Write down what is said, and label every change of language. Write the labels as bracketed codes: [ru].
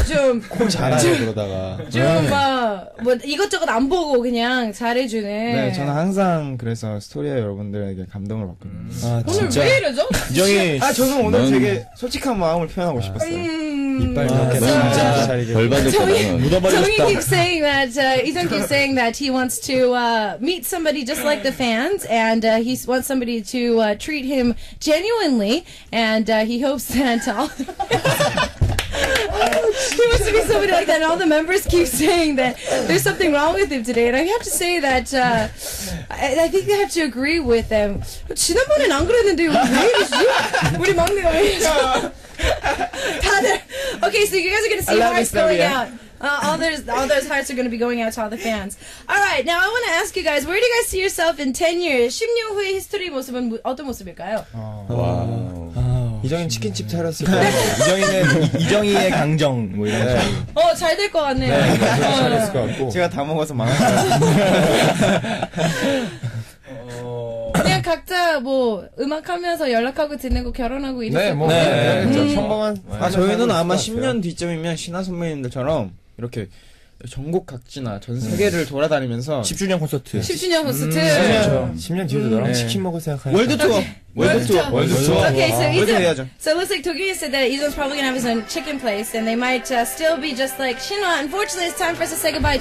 [ko] 좀 콜 잘하고 그러다가 좀 뭐 이것저것 안 보고 그냥 잘해주네. 네, 저는 항상 그래서 스토리아 여러분들에게 감동을 받거든요. 진짜. 오늘 왜 이러죠? 이정희. 저는 오늘 되게 솔직한 마음을 표현하고 싶었어요. 이빨 이렇게 진짜 결받을 거라고. [en] 정희 keeps saying that Lee keeps saying that he wants to meet somebody just like the fans and he wants somebody to treat him genuinely, and he hopes that all he wants to be somebody like that, and all the members keep saying that there's something wrong with him today, and I have to say that I think I have to agree with them. [ko] 지난번엔 안 그랬는데 왜 이러지? 우리 막내가 왜 이러지? 다들 [en] okay, so you guys are gonna see hearts going out. All those hearts are gonna be going out to all the fans. Alright, now I wanna ask you guys, where do you guys see yourself in 10 years? [ko] 10년 후의 히스토리 모습은 어떤 모습일까요? 이정희는 치킨집 차렸을 거 같아요. 이정희는 이정희의 강정 뭐 이런 거. 잘 될 것 같네요. 네, 차렸을 것 같고. 제가 다 먹어서 망할 것 같아요. 그냥 각자 뭐 음악하면서 연락하고 지내고 결혼하고 이렇게. 네, 뭐. 네, 그렇죠. 평범한. 저희는 아마 10년 뒤쯤이면 신화 선배님들처럼 이렇게 전국 각지나 전 세계를 돌아다니면서 10주년 콘서트. 10주년 콘서트. 그렇죠. 10년 뒤에도 너랑 치킨 먹을 생각하니까. 월드 투어. [en] Okay, so Lee Jeong. So it looks like Dogyun said that Lee's probably gonna have his own chicken place, and they might still be just like Shinhwa. Unfortunately, it's time for us to say goodbye.